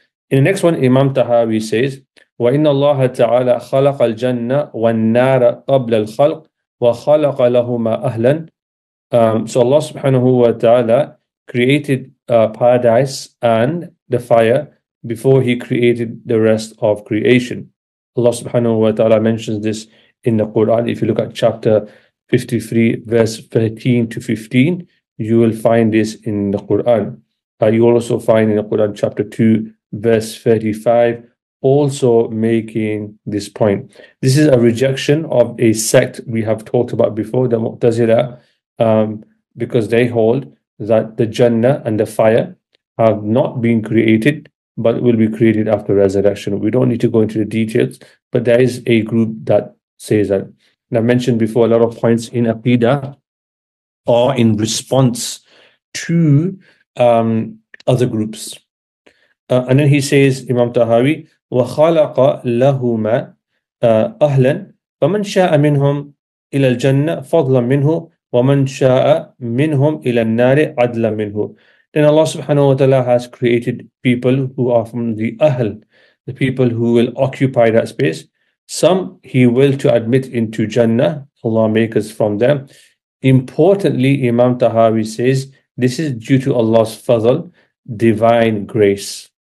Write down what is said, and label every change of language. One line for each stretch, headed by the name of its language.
English: In the next one, Imam Tahawi says,
Arabic: وَإِنَّ اللَّهَ تَعَالَى خَلَقَ الْجَنَّةَ وَالنَّارَ قَبْلَ الْخَلْقِ وَخَلَقَ لَهُمَا أَهْلًا.
English: So Allah subhanahu wa ta'ala created paradise and the fire before He created the rest of creation. Allah subhanahu wa ta'ala mentions this in the Quran. If you look at chapter 53, verse 13 to 15, you will find this in the Quran. You also find in the Quran chapter 2, verse 35, also making this point. This is a rejection of a sect we have talked about before, the Mu'tazila, because they hold that the Jannah and the fire have not been created, but will be created after resurrection. We don't need to go into the details, but there is a group that says that. And I mentioned before, a lot of points in Aqidah are in response to other groups. And then he says, Imam Tahawi,
Arabic: وَخَلَقَ لَهُمَا أَهْلًا فَمَنْ شَاءَ مِنْهُمْ إِلَى الْجَنَّةِ فَضْلًا مِنْهُ وَمَنْ شَاءَ مِنْهُمْ إِلَى النَّارِ عَدْلًا مِنْهُ.
English: Then Allah subhanahu wa ta'ala has created people who are from the Ahl, the people who will occupy that space. Some He will to admit into Jannah, Allah make us from them. Importantly, Imam Tahawi says, this is due to Allah's fadl, divine grace.